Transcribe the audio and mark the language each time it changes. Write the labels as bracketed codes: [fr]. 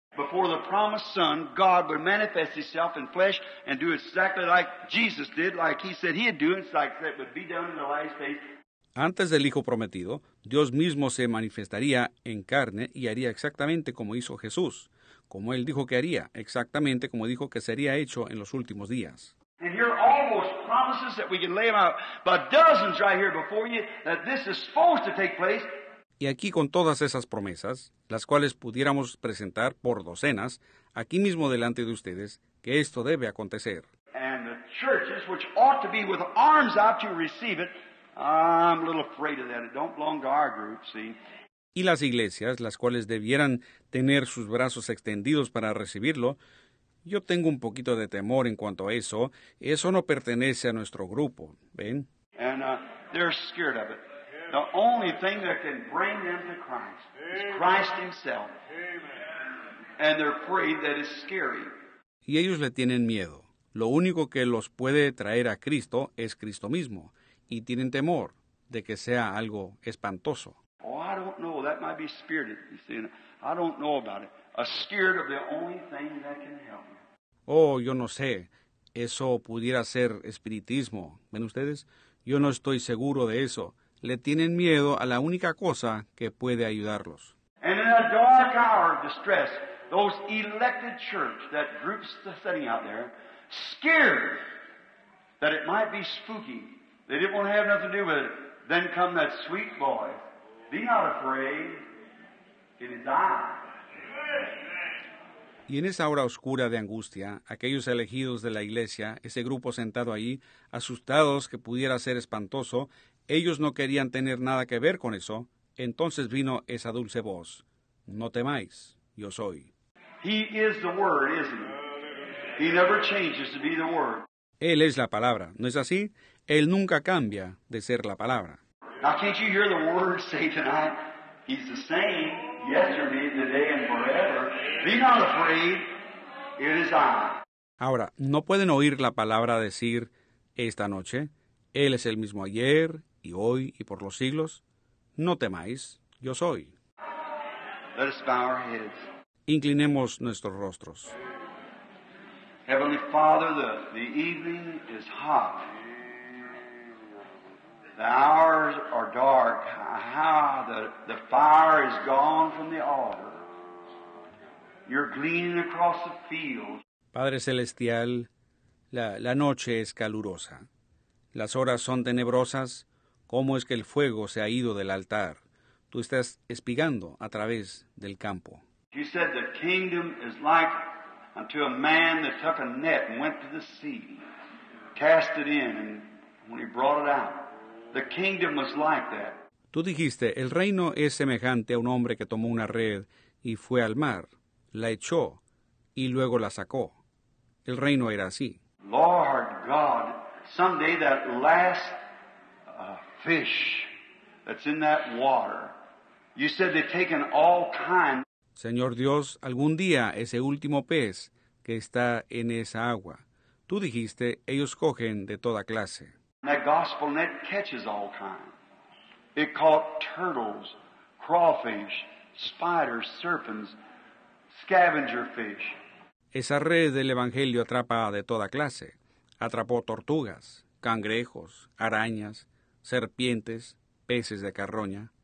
[en] Before the promised son, God would manifest himself in flesh and do exactly like Jesus did, like he said he'd do, it's like that would be done in the last days. [es] Antes del Hijo Prometido, Dios mismo se manifestaría en carne y haría exactamente como hizo Jesús, como Él dijo que haría, exactamente como dijo que sería hecho en los últimos días. [en] And here are all those promises that we can lay out by dozens right here before you that this is supposed to take place. [es] Y aquí con todas esas promesas, las cuales pudiéramos presentar por docenas, aquí mismo delante de ustedes, que esto debe acontecer. [en] And the churches, which ought to be with arms out to receive it, I'm a little afraid of that. It don't belong to our group, see. [es] Y las iglesias, las cuales debieran tener sus brazos extendidos para recibirlo, yo tengo un poquito de temor en cuanto a eso. Eso no pertenece a nuestro grupo, ¿ven? [en] And they're scared of it. The only thing that can bring them to Christ is Christ himself. Amen. And they're afraid that it's scary. [es] Y ellos le tienen miedo. Lo único que los puede traer a Cristo es Cristo mismo. Y tienen temor de que sea algo espantoso. [en] Oh, I don't know. That might be spirited. You see, I don't know about it. A scared of the only thing that can help me. [es] Oh, yo no sé. Eso pudiera ser espiritismo. ¿Ven ustedes? Yo no estoy seguro de eso. Le tienen miedo a la única cosa que puede ayudarlos. [en] And in a dark hour of distress, those elected church, that group's sitting out there, scared that it might be spooky. They didn't want to have nothing to do with it. Then come that sweet boy. Be not afraid. It is I. [es] Y en esa hora oscura de angustia, aquellos elegidos de la iglesia, ese grupo sentado ahí, asustados que pudiera ser espantoso, ellos no querían tener nada que ver con eso. Entonces vino esa dulce voz. No temáis. Yo soy. [en] He is the Word, isn't he? He never changes to be the Word. [es] Él es la palabra, ¿no es así? Él nunca cambia de ser la palabra. [en] Now, can't you hear the word say tonight? He's the same yesterday, today, and forever. Be not afraid. It is I. [es] Ahora, ¿no pueden oír la palabra decir esta noche? Él es el mismo ayer, y hoy, y por los siglos. No temáis, yo soy. [en] Let us bow our heads. [es] Inclinemos nuestros rostros. [en] Heavenly Father, the evening is hot. The hours are dark. Ah, the fire is gone from the altar. You're gleaning across the fields. [es] Padre Celestial, la noche es calurosa. Las horas son tenebrosas. ¿Cómo es que el fuego se ha ido del altar? Tú estás espigando a través del campo. [en] He said the kingdom is like unto a man that took a net and went to the sea, cast it in, and when he brought it out, the kingdom was like that. [es] Tú dijiste, el reino es semejante a un hombre que tomó una red y fue al mar, la echó y luego la sacó. El reino era así. [en] Lord God, someday that last fish that's in that water, you said they've taken all kinds. [es] Señor Dios, algún día ese último pez que está en esa agua, tú dijiste, ellos cogen de toda clase. [en] That gospel net catches all kinds. It caught turtles, crawfish, spiders, serpents, scavenger fish. [es] Esa red del Evangelio atrapa de toda clase. Atrapó tortugas, cangrejos, arañas, serpientes, peces de carroña.